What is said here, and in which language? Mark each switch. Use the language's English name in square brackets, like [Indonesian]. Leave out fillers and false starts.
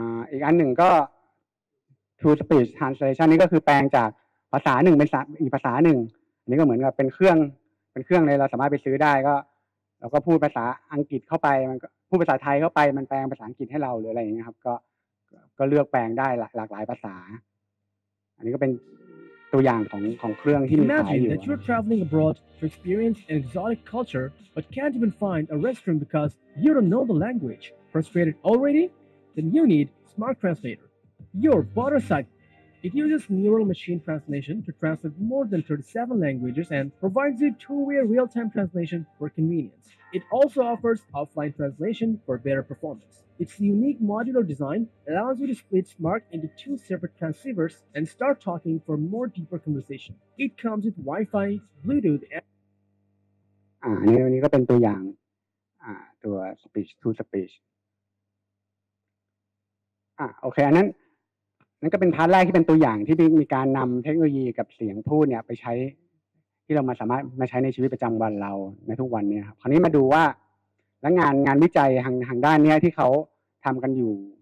[Thai] อีกอันหนึ่งก็ To Speech Translation นี่ก็คือแปลงจากภาษาหนึ่งเป็นอีกภาษาหนึ่งอันนี้ก็เหมือนกับเป็นเครื่องเลยเราสามารถไปซื้อได้ก็ เราก็พูดภาษาอังกฤษเข้าไปมันก็พูดภาษาไทยเข้าไปมันแปลงภาษาอังกฤษให้เราหรืออะไรอย่างเงี้ยครับก็เลือกแปลงได้หลากหลายภาษาอันนี้ก็เป็นตัวอย่างของเครื่องที่มีขายอยู่ [English] Imagine that you're traveling abroad to experience an exotic culture but can't even find a restroom because you don't know the language. Frustrated already? Then you need Smart Translator. Your border site. It uses neural machine translation to translate more than 37 languages and provides you two-way real-time translation for convenience. It also offers offline translation for better performance. Its unique modular design allows you to split Smart into two separate transceivers and start talking for more deeper conversation. It comes with Wi-Fi, Bluetooth, and... [Thai] นี่ก็เป็นตัวอย่างตัว speech to speech โอเคนั่นก็เป็นพาร์ทแรกที่เป็นตัวอย่างที่มีการนำเทคโนโลยีกับเสียงพูดเนี่ยไปใช้ที่เรามาสามารถมาใช้ในชีวิตประจำวันเราในทุกวันเนี่ยครับคราวนี้มาดูว่าแล้วงานวิจัยทางด้านเนี้ยที่เขาทำกันอยู่